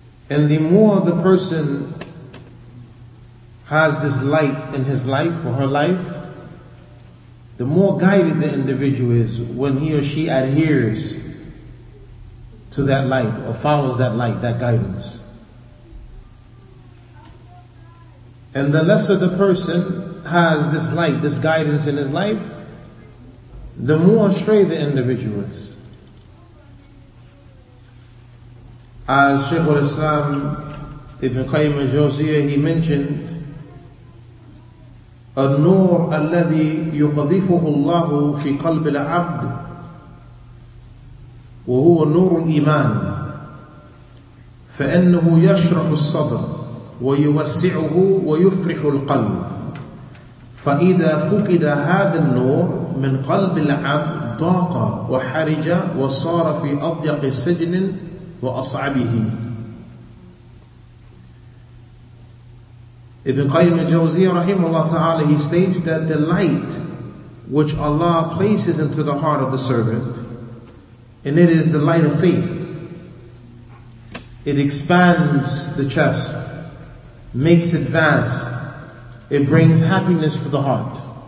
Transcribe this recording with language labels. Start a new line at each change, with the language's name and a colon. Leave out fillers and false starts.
English: And the more the person has this light in his life or her life, the more guided the individual is when he or she adheres to that light or follows that light, that guidance. And the lesser the person has this light, this guidance in his life, the more astray the individual is. As Shaykh al-Islam Ibn Qayyim al-Jawziyah, he mentioned,
Arabic: النور الذي يقذفه الله في قلب العبد وهو نور الإيمان فإنه يشرح الصدر ويوسعه ويفرح القلب فإذا فقد هذا النور من قلب العبد ضاق وحرج وصار في أضيق سجن وأصعبه.
English: Ibn Qayyim al-Jawziyah rahimahullah ta'ala, he states that the light which Allah places into the heart of the servant, and it is the light of faith, it expands the chest, makes it vast, it brings happiness to the heart.